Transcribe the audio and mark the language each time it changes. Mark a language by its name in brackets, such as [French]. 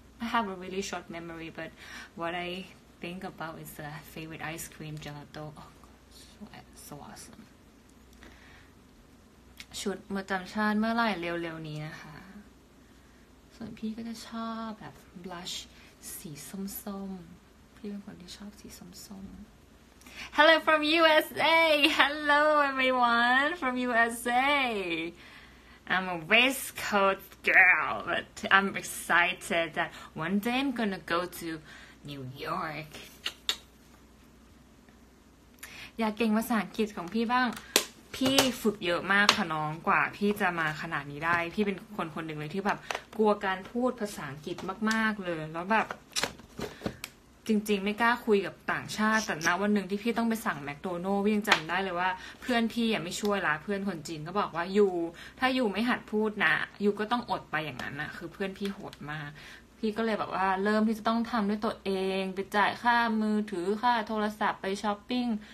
[English] I have a really short memory, but what I think about is the favorite ice cream gelato. Oh, so awesome. [Thai] ชุดประจำชาติเมื่อไหร่เร็วๆนี้นะคะส่วนพี่ก็จะชอบแบบ blush สีส้มๆพี่เป็นคนที่ชอบสีส้มๆ [English] Hello from USA! Hello everyone from USA! I'm a West Coast girl, but I'm excited that one day I'm gonna go to New York. [Thai] อยากเก่งภาษาอังกฤษของพี่บ้างพี่ฝึกเยอะมากค่ะน้องกว่าพี่จะมาขนาดนี้ได้พี่เป็นคนคนหนึ่งเลยที่แบบกลัวการพูดภาษาอังกฤษมากๆเลยแล้วแบบจริงๆไม่กล้าคุยกับต่างชาติแต่ณวันหนึ่งที่พี่ต้องไปสั่งแมคโดนัลด์พี่ยังจำได้เลยว่าเพื่อนพี่ไม่ช่วยละเพื่อนคนจีนก็บอกว่าอยู่ถ้าอยู่ไม่หัดพูดนะอยู่ก็ต้องอดไปอย่างนั้นนะคือเพื่อนพี่โหดมากพี่ก็เลยแบบว่าเริ่มที่จะต้องทำด้วยตัวเองไปจ่ายค่ามือถือค่าโทรศัพท์ไปช้อปปิ้ง